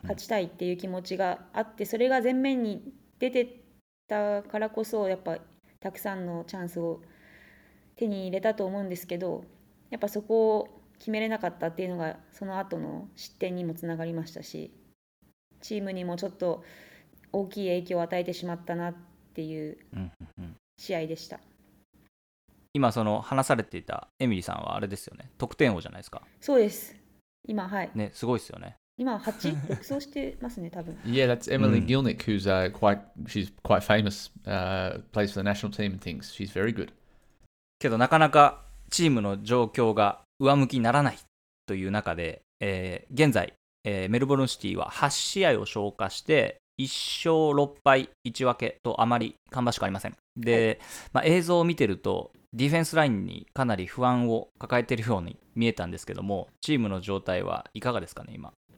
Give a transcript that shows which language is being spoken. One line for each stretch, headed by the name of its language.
Japanese: 勝ちたいっていう気持ちがあって、それが前面に出てたからこそやっぱたくさんのチャンスを手に入れたと思うんですけど、やっぱそこを決めれなかったっていうのがその後の失点にもつながりましたし、チームにもちょっと大きい影響を与えてしまったなっていう試合でした、うんうん、今その話されていたエミリーさんはあれですよね、得点王じゃないですか？そうです、今、はい、ね、すごいですよね今。
English: Yeah, that's Emily Gilnick, who's she's quite famous, plays for the national team and things. She's very good.
Japanese: けどなかなかチームの状況が上向きにならないという中で、現在、メルボルンシティは8試合を消化して1勝6敗1分けとあまり芳しくありません。で、まあ、映像を見てるとディフェンスラインにかなり不安を抱えているように見えたんですけども、チームの状態はいかがですかね今。